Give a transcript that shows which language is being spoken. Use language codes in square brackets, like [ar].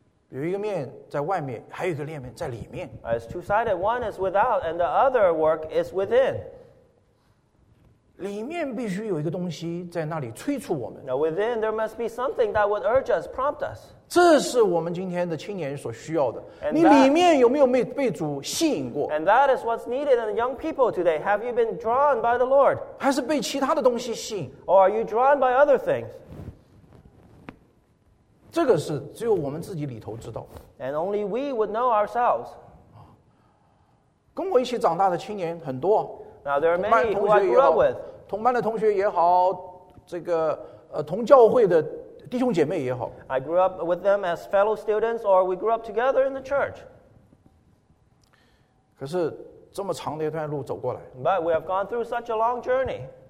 [zh] 有一个面在外面，还有一个面在里面。 [en] It's two-sided. One is without, and the other work is within. [zh] 里面必须有一个东西在那里催促我们。 [en] Now within, there must be something that would urge us, prompt us. [zh] 这是我们今天的青年所需要的。你里面有没有被主吸引过？ [en] And that is what's needed in young people today. Have you been drawn by the Lord? [zh] 还是被其他的东西吸引？ [en] Or are you drawn by other things? [zh] 这个是只有我们自己里头知道。 [en] And only we would know ourselves. [zh] 跟我一起长大的青年很多。 [en] Now there are many who I grew up with. [zh] 同班的同学也好，这个同教会的弟兄姐妹也好。 [en] I grew up with them as fellow students, or we grew up together in the church. [zh] 可是这么长的一段路走过来。 But we have gone through such a long journey.